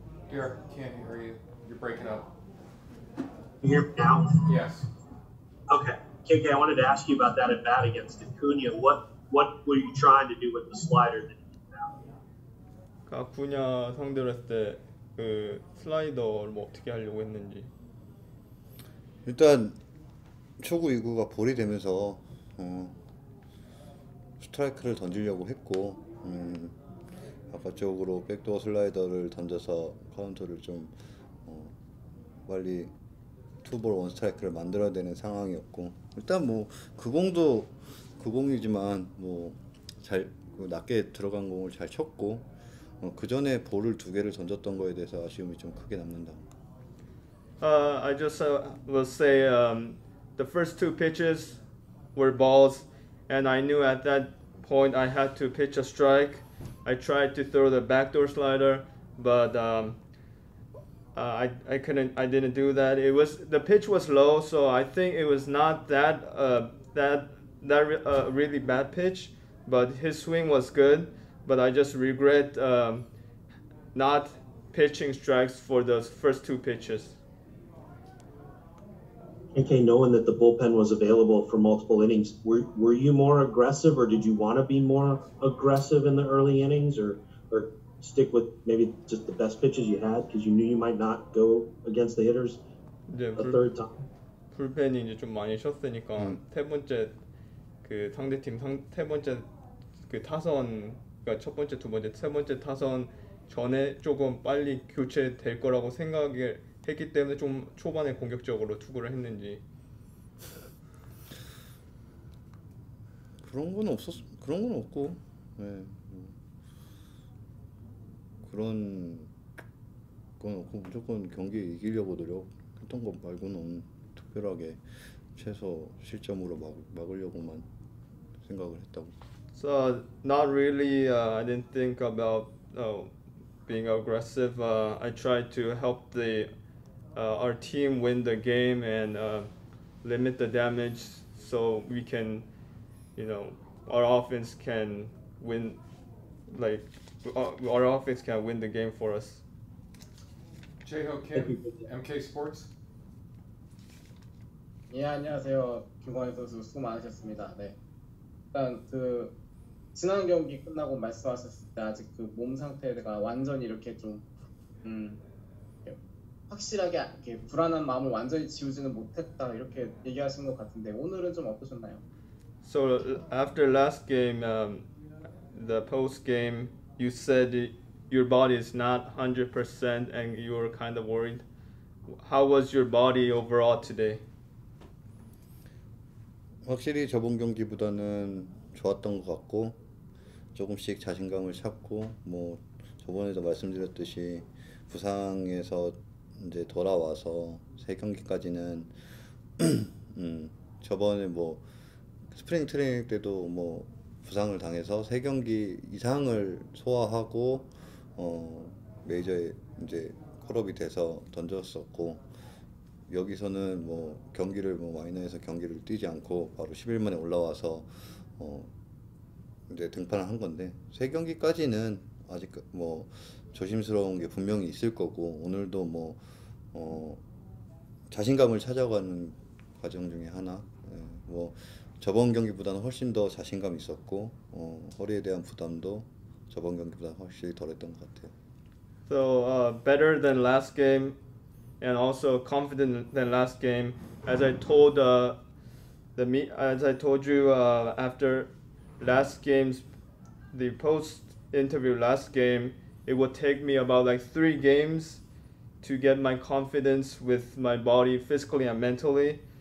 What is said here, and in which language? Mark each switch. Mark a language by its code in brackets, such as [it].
[en] Derek, can't hear you. You're breaking up. You hear me now? Yes. Okay. KK, I wanted to ask you about that at bat against Acuna. What were you trying to do with the slider? [ko] 아쿠냐 상대로 했을 때 그 슬라이더를 뭐 어떻게 하려고 했는지. 일단 초구 2구가 볼이 되면서 스트라이크를 던지려고 했고 바깥쪽으로 백도어 슬라이더를 던져서 카운터를 좀 빨리 투볼 원 스트라이크를 만들어야 되는 상황이었고, 일단 뭐 그 공도 그 공이지만 뭐 잘 낮게 들어간 공을 잘 쳤고, 그 전에 볼을 두 개를 던졌던 거에 대해서 아쉬움이 좀 크게 남는다. [en] I just will say the first two pitches were balls, and I knew at that point I had to pitch a strike. I tried to throw the backdoor slider, but I didn't do that. It was the pitch was low, so I think it was not that really bad pitch, but his swing was good. But I just regret not pitching strikes for those first two pitches. KK, knowing that the bullpen was available for multiple innings, were you more aggressive, or did you want to be more aggressive in the early innings, or stick with maybe just the best pitches you had because you knew you might not go against the hitters [ko] 네, [en] a third time? [ko] 불펜이 이제 좀 많이 쉬었으니까 세 번째 그 상대팀 세 번째 그 타선 그러니까 첫 번째, 두 번째, 세 번째 타선 전에 조금 빨리 교체될 거라고 생각을 했기 때문에 좀 초반에 공격적으로 투구를 했는지. 그런 건 없고. 네. 그런 건 없고 무조건 경기 이기려고 노력했던 것 말고는 특별하게 최소 실점으로 막으려고만 생각을 했다고. [en] So not really. I didn't think about being aggressive. I tried to help our team win the game and limit the damage so we can, you know, our offense can win the game for us. Jae-ho Kim, MK Sports. [ko] 예 안녕하세요 김광희 선수 수고 많으셨습니다. 네 일단 그 지난 경기 끝나고 말씀하셨을 때 아직 그 몸 상태가 완전히 이렇게 좀 확실하게 이렇게 불안한 마음을 완전히 지우지는 못했다 이렇게 얘기하신 것 같은데 오늘은 좀 어떠셨나요? [en] So after last game, the post game, you said your body is not 100% and you were kind of worried. How was your body overall today? [ko] 확실히 저번 경기보다는 좋았던 것 같고. 조금씩 자신감을 찾고 뭐 저번에도 말씀드렸듯이 부상에서 이제 돌아와서 세 경기까지는 저번에 뭐 스프링 트레이닝 때도 뭐 부상을 당해서 세 경기 이상을 소화하고 메이저에 이제 콜업이 돼서 던졌었고 여기서는 뭐 경기를 뭐 마이너에서 경기를 뛰지 않고 바로 10일 만에 올라와서 이제 등판을 한 건데 세 경기까지는 아직 뭐 조심스러운 게 분명히 있을 거고 오늘도 뭐 자신감을 찾아가는 과정 중에 하나 예, 뭐 저번 경기보다는 훨씬 더 자신감 있었고 허리에 대한 부담도 저번 경기보다 확실히 덜했던 것 같아요. [en] So better than last game and also confident than last game. As I told after last game's the post interview last game, it would take me about like 3 games to get my confidence with my body physically and mentally.